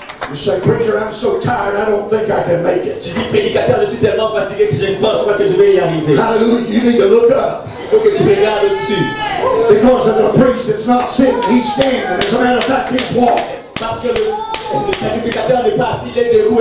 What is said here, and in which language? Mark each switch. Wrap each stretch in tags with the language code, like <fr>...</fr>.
<en>You say, preacher, I'm so tired, I don't think I can make it.</en> <fr>Tu dis, prédicateur, je suis tellement fatigué que je ne pense pas que je vais y arriver.</fr> <en>Hallelujah. You need to look up.</en> <fr>Il faut que tu regardes au-dessus.</fr> <en>Because of the priest that's not sitting, he's standing. As a matter of fact, he's walking.</en> <fr>Parce que le sacrificateur n'est pas assis, il est debout.</fr>